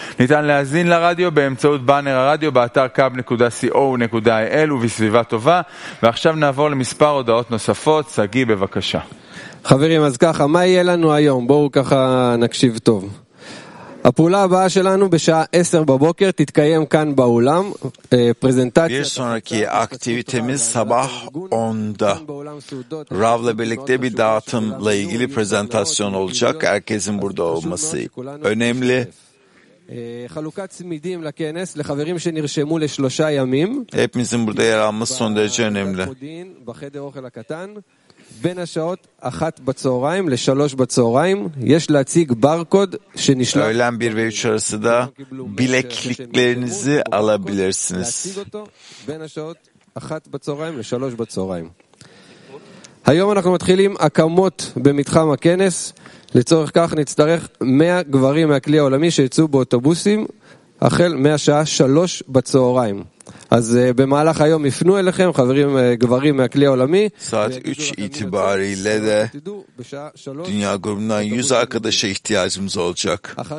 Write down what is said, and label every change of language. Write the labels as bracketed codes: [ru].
[he] ניתן להזין לרדיו באמצעות בנר הרדיו באתר kab.co.il ובסביבה טובה. ועכשיו נעבור למספר הודעות נוספות. סגי, בבקשה. חברים, אז ככה, מה יהיה לנו היום? בואו ככה נקשיב טוב. הפעולה הבאה שלנו בשעה 10 בבוקר תתקיים כאן באולם פרזנטציה. [tr] Bir sonraki aktivitemiz sabah 10'da. Rav'la birlikte bir dağıtımla ilgili prezentasyon olacak. Herkesin burada olması önemli. [he] חלוקת צמידים לכנס לחברים שנרשמו לשלושה ימים. [tr] Hepimizin burada yer alması son derece önemli. [he] בחדר אוכל הקטן. בין השעות 1 בצהריים ל-3 בצהריים יש להציג ברקוד שנשלח. [tr] Öğlen 1 ve 3 arasında bilekliklerinizi alabilirsiniz. [he] בין השעות 1 בצהריים ל-3 בצהריים. היום אנחנו מתחילים הקמות במתחם הכנס. לצורך כך נצטרך 100 גברים מהכלי העולמי שיצאו באוטובוסים החל מהשעה 3 בצהריים. אז במהלך היום יפנו אליכם חברים גברים מהכלי העולמי. [tr] Saat 3 itibariyle de dünya grubundan 100 arkadaşa ihtiyacımız olacak.